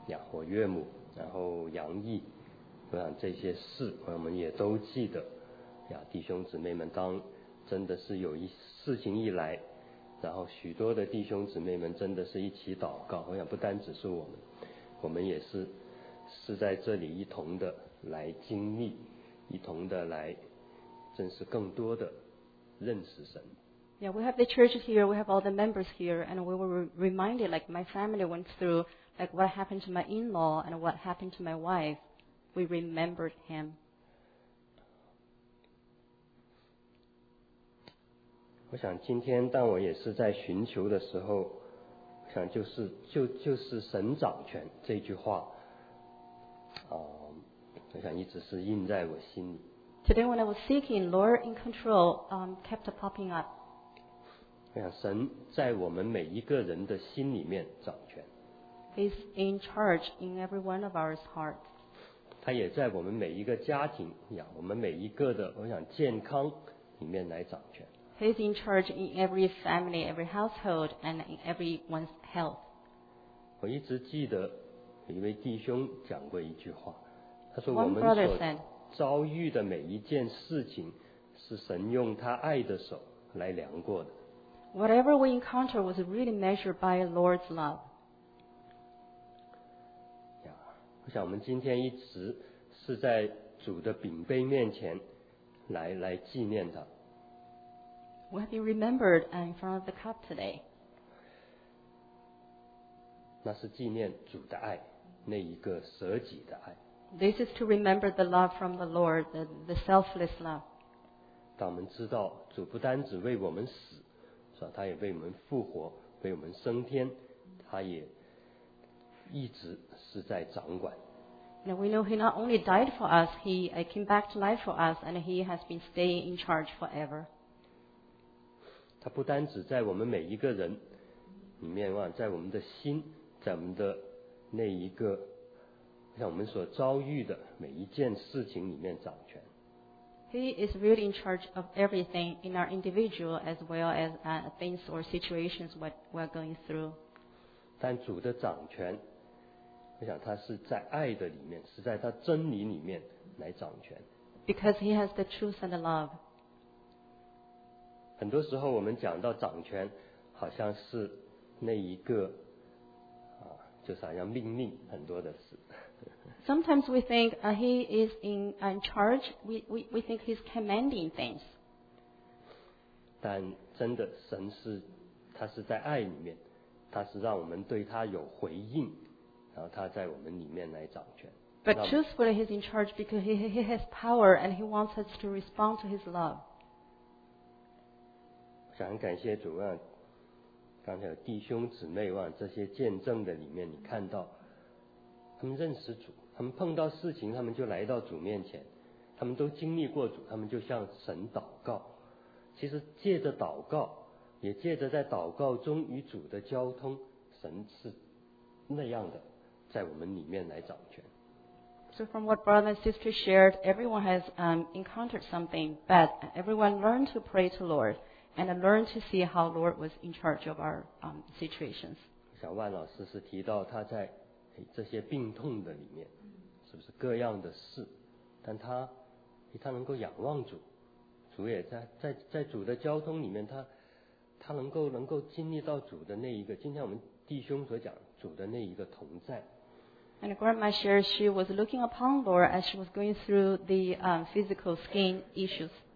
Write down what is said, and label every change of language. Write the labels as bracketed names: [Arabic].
[Chinese] 我岳母然后杨毅我想这些事我们也都记得弟兄姊妹们当真的是有一事情一来然后许多的弟兄姊妹们真的是一起祷告我想不单只是我们也是是在这里一同的来经历，一同的来，真是更多的认识神。 [English] Yeah, we have the church here, we have all the members here, and we were reminded like my family went through like what happened to my in-law and what happened to my wife. We remembered him. [Chinese] 我想今天，当我也是在寻求的时候，我想就是神掌权这句话。我想一直是印在我心里。 [English] Today when I was seeking, Lord in control, kept popping up. [Chinese] 神在我们每一个人的心里面掌权。 [English] He's in charge in every one of our hearts. [Chinese] 他也在我们每一个家庭，我们每一个的，我想健康里面来掌权。 [English] He's in charge in every family, every household, and in everyone's health. [Chinese] 我一直记得一位弟兄讲过一句话，他说我们所遭遇的每一件事情是神用他爱的手来量过的。 [English] Whatever we encounter was really measured by the Lord's love. [Chinese] 我想我们今天一直是在主的饼杯面前来纪念他。 [English] We have been remembered in front of the cup today. [Chinese] 那是纪念主的爱，那一个舍己的爱。 [English] This is to remember the love from the Lord, the selfless love. [Chinese] 当我们知道主不单只为我们死，他也为我们复活，为我们升天，他也一直是在掌管。 [English] Now we know he not only died for us, he came back to life for us, and he has been staying in charge forever. [Chinese] 他不单只在我们每一个人里面，在我们的心，在我们的那一个像我们所遭遇的每一件事情里面掌权。 [English] He is really in charge of everything in our individual as well as things or situations what we're going through. [Chinese] 但主的掌权，我想他是在爱的里面，是在他真理里面来掌权。 [English] Because he has the truth and the love. [Chinese] 很多时候我们讲到掌权，好像是那一个就是好像命令很多的事。 [English] Sometimes we think he is in charge. We think he's commanding things. [Chinese] 但真的神是，他是在爱里面，他是让我们对他有回应，然后他在我们里面来掌权。 [English] But truthfully, he's in charge because he has power and he wants us to respond to his love. [Chinese] 我想感谢主啊，刚才有弟兄姊妹啊，这些见证的里面，你看到他们认识主。他们碰到事情，他们就来到主面前，他们都经历过主，他们就向神祷告。其实借着祷告，也借着在祷告中与主的交通，神是那样的在我们里面来掌权。 [English] So from what brother and sister shared, everyone has encountered something, but everyone learned to pray to Lord and learned to see how Lord was in charge of our situations. [Chinese] 小万老师是提到他在这些病痛的里面，是不是各样的事，但他能够仰望主，主也在主的交通里面，他能够经历到主的那一个，今天我们弟兄所讲主的那一个同在。 [English] And grandma shared she was looking upon Lord as she was going through the physical skin issues.